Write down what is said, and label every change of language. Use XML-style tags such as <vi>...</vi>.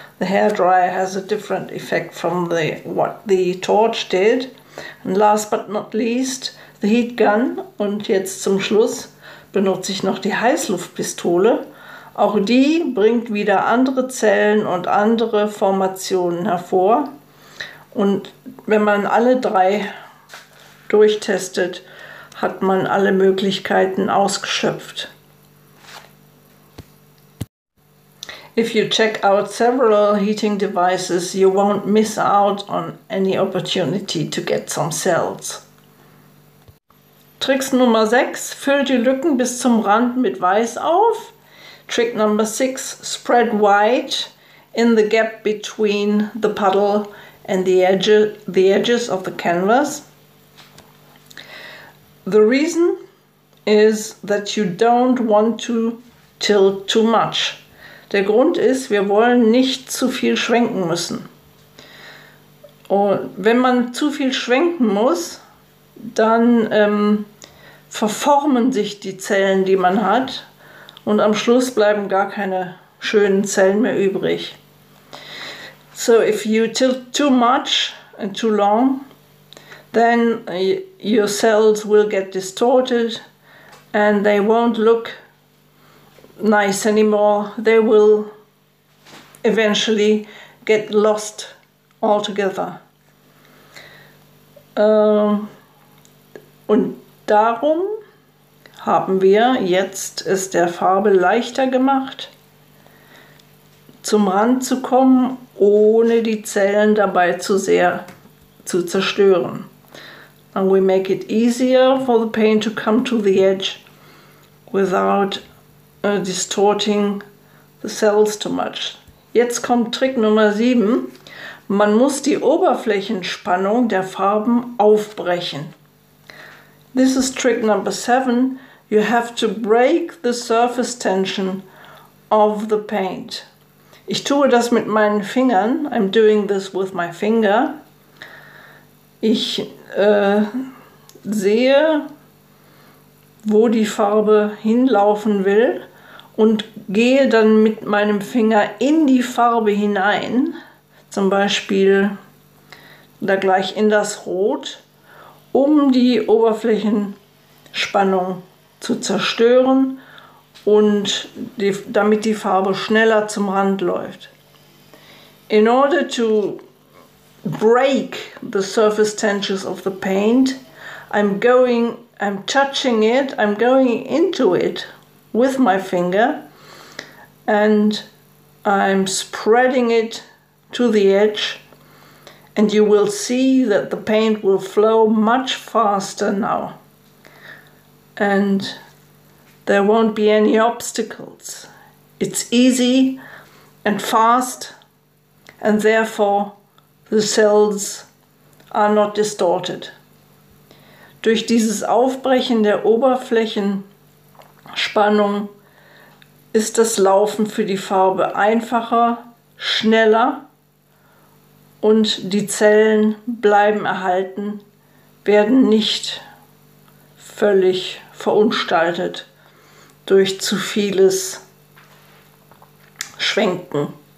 <en>The hair dryer has a different effect from what the torch did. And last but not least, the heat gun.</en> <de>Und jetzt zum Schluss benutze ich noch die Heißluftpistole. Auch die bringt wieder andere Zellen und andere Formationen hervor. Und wenn man alle drei durchtestet, hat man alle Möglichkeiten ausgeschöpft.</de> <en>If you check out several heating devices, you won't miss out on any opportunity to get some cells.</en> <de>Tricks Nummer 6. Füll die Lücken bis zum Rand mit Weiß auf. Trick Nummer 6.</de> <en>Spread white in the gap between the puddle and the edges of the canvas. The reason is that you don't want to tilt too much.</en> <de>Der Grund ist, wir wollen nicht zu viel schwenken müssen. Und wenn man zu viel schwenken muss, dann verformen sich die Zellen, die man hat, und am Schluss bleiben gar keine schönen Zellen mehr übrig.</de> <en>So if you tilt too much and too long, then your cells will get distorted and they won't look nice anymore. They will eventually get lost altogether.</en> <de>Und darum haben wir jetzt es der Farbe leichter gemacht, zum Rand zu kommen, ohne die Zellen dabei zu sehr zu zerstören.</de> <en>And we make it easier for the paint to come to the edge without distorting the cells too much.</en> <de>Jetzt kommt Trick Nummer 7. Man muss die Oberflächenspannung der Farben aufbrechen.</de> <en>This is trick number 7. You have to break the surface tension of the paint.</en> <de>Ich tue das mit meinen Fingern.</de> <en>I'm doing this with my finger.</en> <de>Ich sehe, wo die Farbe hinlaufen will und gehe dann mit meinem Finger in die Farbe hinein, zum Beispiel da gleich in das Rot, um die Oberflächenspannung zu zerstören und damit die Farbe schneller zum Rand läuft.</de> <en>In order to break the surface tensions of the paint, I'm touching it, I'm going into it with my finger and I'm spreading it to the edge, and you will see that the paint will flow much faster now and there won't be any obstacles. It's easy and fast, and therefore the cells are not distorted.</en> <de>Durch dieses Aufbrechen der Oberflächenspannung ist das Laufen für die Farbe einfacher, schneller und die Zellen bleiben erhalten, werden nicht völlig verunstaltet durch zu vieles Schwenken.</de>